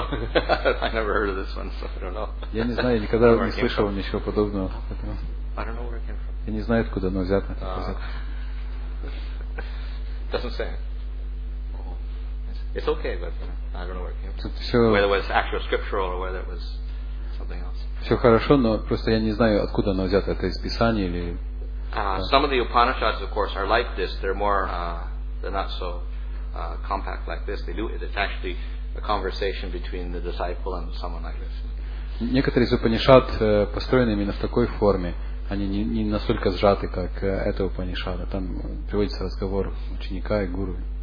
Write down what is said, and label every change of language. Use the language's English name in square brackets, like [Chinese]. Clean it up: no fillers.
[English] I never heard of this one, so I don't know. [Russian] Я не знаю, никогда не слышал ничего подобного. [English] I don't know where it came from. [Russian] Я не знаю, откуда оно взято. [English] Doesn't say. It's okay, but I don't know where it came from. Whether it was actual scriptural or whether it was something else. [Russian] Все хорошо, но просто я не знаю, откуда оно взято. Это из Писания или... [English] Some of the Upanishads, of course, are like this. They're more, they're not so compact like this. They do. It's actually a conversation between the disciple and someone like this. [Russian] Некоторые из Упанишад построены именно в такой форме. Они не настолько сжаты, как эта Упанишада. Там приводится разговор ученика и гуру.